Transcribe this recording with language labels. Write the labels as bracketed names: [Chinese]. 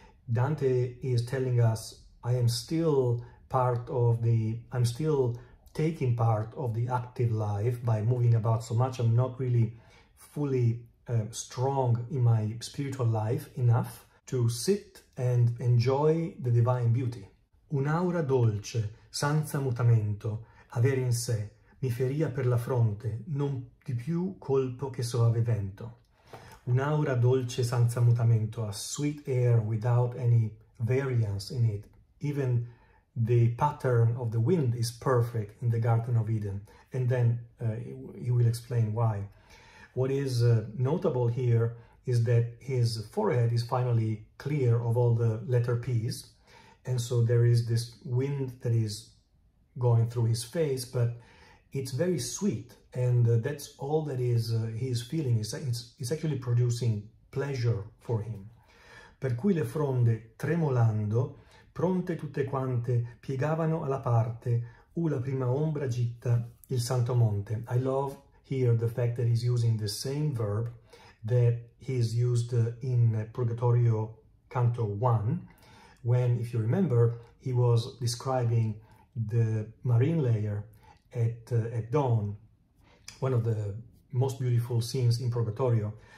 [English] Dante is telling us, I'm still taking part of the active life by moving about so much. I'm not really fully strong in my spiritual life enough to sit and enjoy the divine beauty. [Italian] Un'aura dolce, senza mutamento, avere in sé, mi feria per la fronte, non di più colpo che soave vento. Un'aura dolce senza mutamento, [English] a sweet air without any variance in it. Even the pattern of the wind is perfect in the Garden of Eden. And then he will explain why. What is notable here is that his forehead is finally clear of all the letter P's. And so there is this wind that is going through his face, but it's very sweet. And that's all that is he's feeling. It's actually producing pleasure for him. [Italian] Per cui le fronde, tremolando, pronte tutte quante, piegavano alla parte, u la prima ombra gitta, il santo monte. [English] I love here the fact that he's using the same verb that he's used in Purgatorio Canto 1, when, if you remember, he was describing the marine layer at dawn, one of the most beautiful scenes in Purgatorio.